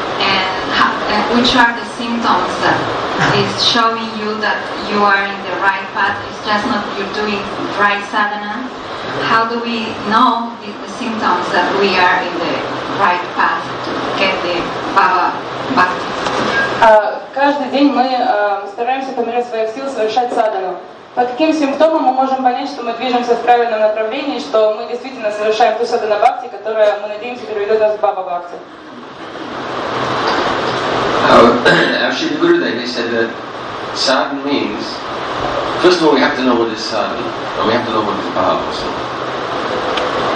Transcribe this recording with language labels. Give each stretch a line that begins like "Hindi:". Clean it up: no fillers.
English: And which are the symptoms that is showing you that you are in the right path? It's just not you're doing right sadhana. How do we know the symptoms that we are in the right path to get the Bhava bhakti?
Russian: Каждый день мы стараемся по мере своих сил совершать садхану. По каким симптомам мы можем понять, что мы движемся в правильном направлении, что мы действительно совершаем ту садхана бхакти, которая, мы надеемся, приведет нас к Баба бхакти?
English: Actually, Guru Devi said that sadhana means, first of all, we have to know what is sadhana, and we have to know what is bhava also.